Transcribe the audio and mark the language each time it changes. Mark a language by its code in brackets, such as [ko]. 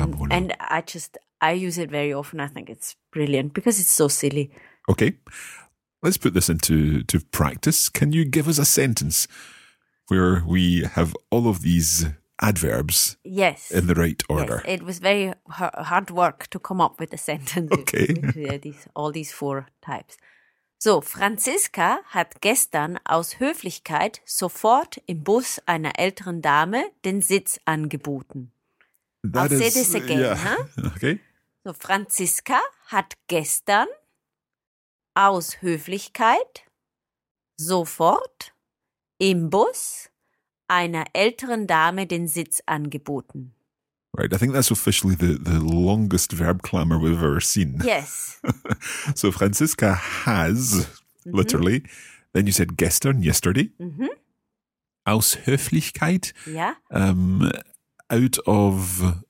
[en] And I use it very often. I think it's brilliant because it's so silly. Okay. Let's put this into practice. Can you give us a sentence where we have all of these adverbs yes. in the right order? Yes. It was very hard work to come up with a sentence. Okay. all these four types. [de] So, Franziska hat gestern aus Höflichkeit sofort im Bus einer älteren Dame den Sitz angeboten. [en] Say this again. Yeah. Huh? Okay. [de] So, Franziska hat gestern aus Höflichkeit sofort im Bus einer älteren Dame den Sitz angeboten. [en] Right, I think that's officially the longest verb clamor we've ever seen. Yes. So Franziska has, literally, then you said [de] gestern, [en] yesterday. Mm-hmm. [de] Aus Höflichkeit. [en] Yeah. Out of